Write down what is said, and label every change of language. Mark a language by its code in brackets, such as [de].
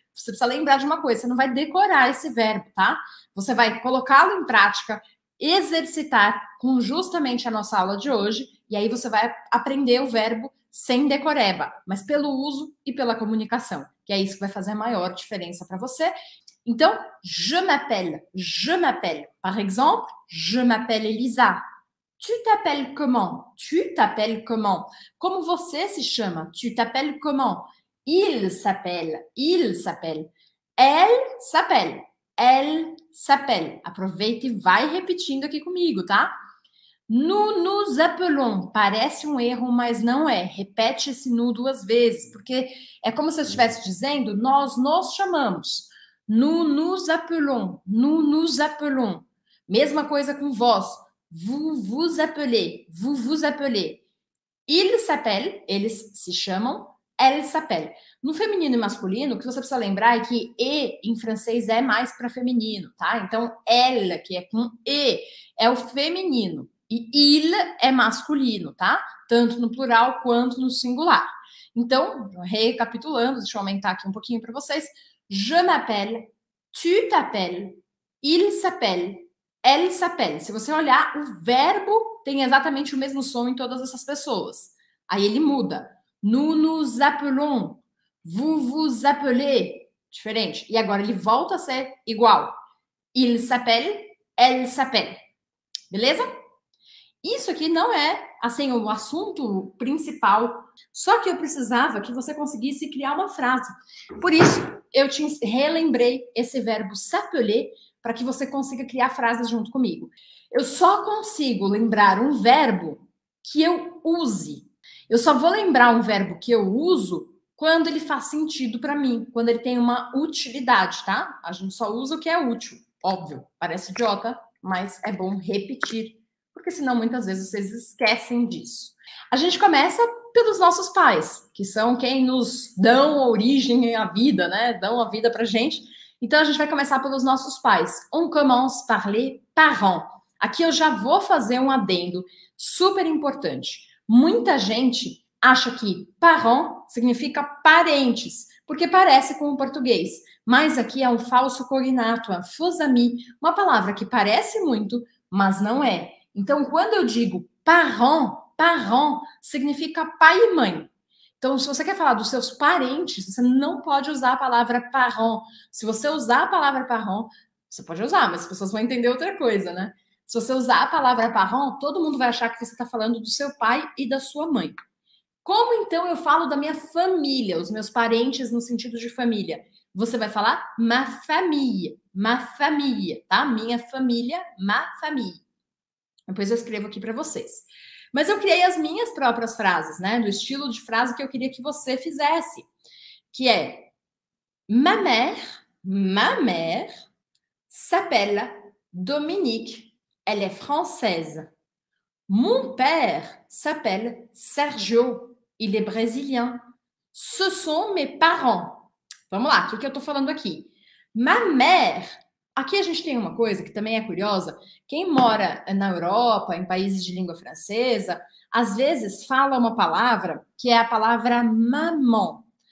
[pt] Você precisa lembrar de uma coisa, você não vai decorar esse verbo, tá? Você vai colocá-lo em prática, exercitar com justamente a nossa aula de hoje, e aí você vai aprender o verbo sem decoreba, mas pelo uso e pela comunicação, que é isso que vai fazer a maior diferença para você. [fr] Então, je m'appelle. Par exemple, je m'appelle Elisa. Tu t'appelles comment? Tu t'appelles comment? [pt] Como você se chama? [fr] Tu t'appelles comment? Il s'appelle. Il s'appelle. Elle s'appelle. Elle s'appelle. [pt] Aproveita e vai repetindo aqui comigo, tá? [fr] Nous nous appelons. [pt] Parece um erro, mas não é. Repete esse nu duas vezes, porque é como se eu estivesse dizendo nós nos chamamos. [fr] Nous nous appelons, nous nous appelons. [pt] Mesma coisa com vós. [fr] Vous vous appelez, vous vous appelez. Ils s'appellent, [pt] eles se chamam, [fr] elles s'appellent. [pt] No feminino e masculino, o que você precisa lembrar é que e em francês é mais para feminino, tá? Então, elle, que é com e, é o feminino. E il é masculino, tá? Tanto no plural quanto no singular. Então, recapitulando, deixa eu aumentar aqui um pouquinho para vocês. [fr] Je m'appelle, tu t'appelles, il s'appelle, elle s'appelle. [pt] Se você olhar, o verbo tem exatamente o mesmo som em todas essas pessoas. Aí ele muda. [fr] Nous nous appelons, vous vous appelez. [pt] Diferente. E agora ele volta a ser igual. [fr] Il s'appelle, elle s'appelle. [pt] Beleza? Isso aqui não é, assim, o assunto principal. Só que eu precisava que você conseguisse criar uma frase. Por isso, eu te relembrei esse verbo s'appeler para que você consiga criar frases junto comigo. Eu só consigo lembrar um verbo que eu use. Eu só vou lembrar um verbo que eu uso quando ele faz sentido para mim, quando ele tem uma utilidade, tá? A gente só usa o que é útil. Óbvio, parece idiota, mas é bom repetir, porque senão muitas vezes vocês esquecem disso. A gente começa pelos nossos pais, que são quem nos dão origem à vida, né? Dão a vida pra gente. Então a gente vai começar pelos nossos pais. [fr] On commence par les parents. [pt] Aqui eu já vou fazer um adendo super importante. Muita gente acha que parent significa parentes, porque parece com o português. Mas aqui é um falso cognato, [fr] un faux ami, [pt] uma palavra que parece muito, mas não é. Então quando eu digo parent, parent significa pai e mãe. Então, se você quer falar dos seus parentes, você não pode usar a palavra parent. Se você usar a palavra parent, você pode usar, mas as pessoas vão entender outra coisa, né? Se você usar a palavra parent, todo mundo vai achar que você está falando do seu pai e da sua mãe. Como então eu falo da minha família, os meus parentes no sentido de família? Você vai falar [fr] ma famille, [pt] tá? Minha família, [fr] ma famille. [pt] Depois eu escrevo aqui para vocês. Mas eu criei as minhas próprias frases, né? Do estilo de frase que eu queria que você fizesse. Que é: [fr] ma mère s'appelle Dominique. Elle est française. Mon père s'appelle Sergio. Il est brésilien. Ce sont mes parents. [pt] Vamos lá, o que que eu tô falando aqui? [fr] Ma mère. [pt] Aqui a gente tem uma coisa que também é curiosa. Quem mora na Europa, em países de língua francesa, às vezes fala uma palavra que é a palavra maman.